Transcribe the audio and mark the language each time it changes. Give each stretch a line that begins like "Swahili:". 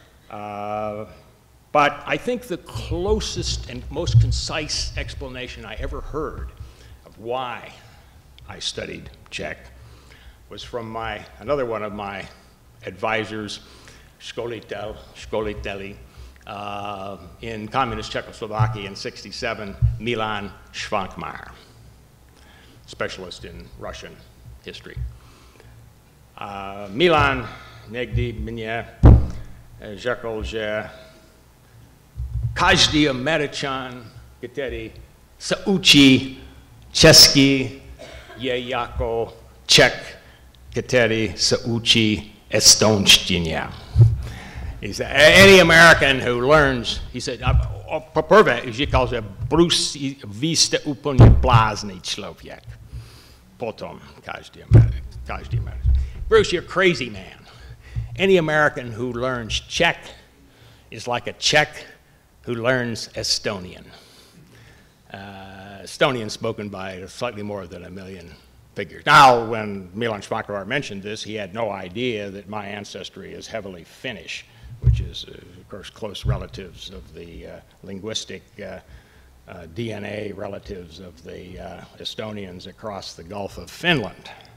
English: But I think the closest and most concise explanation I ever heard of why I studied Czech was from another one of my advisors, Školiteli, in communist Czechoslovakia in 67, Milan Švankmajer, specialist in Russian history.
Czech: Milan někdy mě řekl, že každý Američan, který se učí česky, je jako Čech, který se učí estonštině.
English: He said, any American who learns, he said,
Czech: poprvé, říkal, že Bruce, vy jste úplně blázný člověk. Potom, každý
English: American. Bruce, you're a crazy man. Any American who learns Czech is like a Czech who learns Estonian. Estonian spoken by slightly more than a million figures. Now, when Milan Švankmajer mentioned this, he had no idea that my ancestry is heavily Finnish, which is, of course, close relatives of the linguistic DNA relatives of the Estonians across the Gulf of Finland.